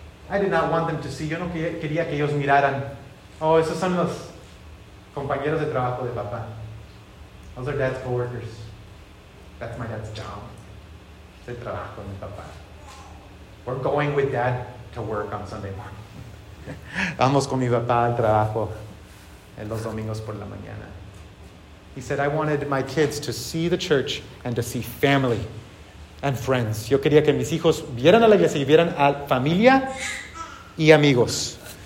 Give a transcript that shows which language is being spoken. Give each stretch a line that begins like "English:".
English: I did not want them to see,
Spanish: yo no quería que ellos miraran, oh, esos son los compañeros de trabajo de papá.
English: Those are dad's coworkers. That's my dad's job.
Spanish: Es el trabajo de mi papá.
English: We're going with dad to work on Sunday morning.
Spanish: Vamos con mi papá al trabajo en los domingos por la mañana.
English: He said, I wanted my kids to see the church and to see family and friends.
Spanish: Yo quería que mis hijos vieran a la iglesia y vieran a familia y amigos.